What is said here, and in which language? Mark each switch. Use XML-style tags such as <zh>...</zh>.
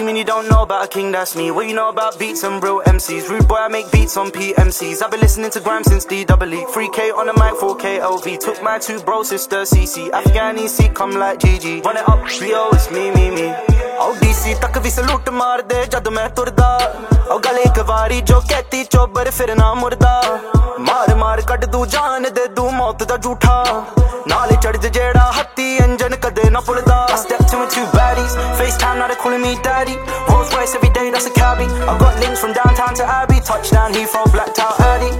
<en>What you mean you don't know about a king, that's me. What you know about beats and real MCs? Rude boy, I make beats on PMCs. I've been listening to Gram since DEE. 3K on the mic, 4K LV. Took my two bro sister CC. Afghani Sikh, come like Gigi. Run it up, trio, it's me, me, me.</en> <pa>ਉਹ DC ਤੱਕ ਵੀ salute ਮਾਰਦੇ ਜਦ ਮੈਂ ਤੁਰਦਾ ਉਹ ਗੱਲ ਇੱਕ ਵਾਰੀ ਜੋ ਕਹਿਤੀ ਚੋਬਰ ਫਿਰ ਨਾ ਮੁਰਦਾ ਮਾਰ ਮਾਰ ਕੱਢ ਦੂ ਜਾਨ ਦੇ ਦੂ ਮੌਤ ਦਾ ਝੂਠਾ ਨਾਲ ਚੜ ਜਿਹੜਾ ਹੱਤੀ ਇੰਜਨ ਕਦੇ ਨਾ ਭੁੱਲਦਾ</pa> <en>Two baddies, FaceTime, now they're calling me daddy. Rolls Royce every day, that's a cabbie. I've got links from downtown to Abbey. Touchdown, Heathrow, blacked out early.</en>